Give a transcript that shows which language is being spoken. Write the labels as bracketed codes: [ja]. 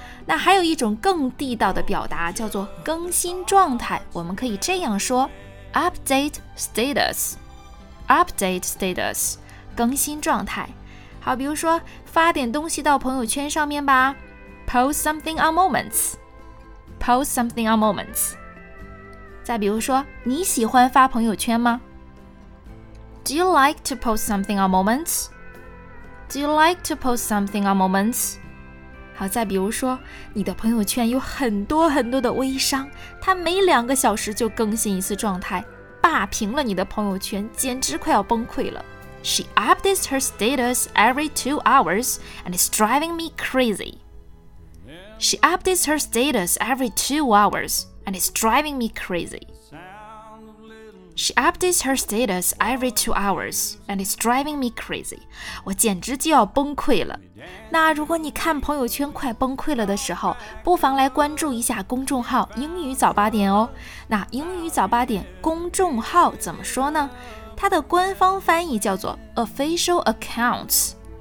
[zh] 那还有一种更地道的表达叫做更新状态，我们可以这样说 [en] update status。 update status， [zh] 更新状态。好，比如说发点东西到朋友圈上面吧， [en] Post something on moments. Post something on moments. [zh] 再比如说，你喜欢发朋友圈吗？ [en] Do you like to post something on moments? Do you like to post something on moments? [zh] 好，再比如说，你的朋友圈有很多很多的微商，他每两个小时就更新一次状态，霸屏了你的朋友圈，简直快要崩溃了。 [en] She updates her status every 2 hours and it's driving me crazy. She updates her status every 2 hours, and it's driving me crazy. She updates her status every 2 hours, and it's driving me crazy. [zh] 我简直就要崩溃了。那如果你看朋友圈快崩溃了的时候，不妨来关注一下公众号英语早八点哦。那英语早八点公众号怎么说呢？它的官方翻译叫做 [en] official accounts.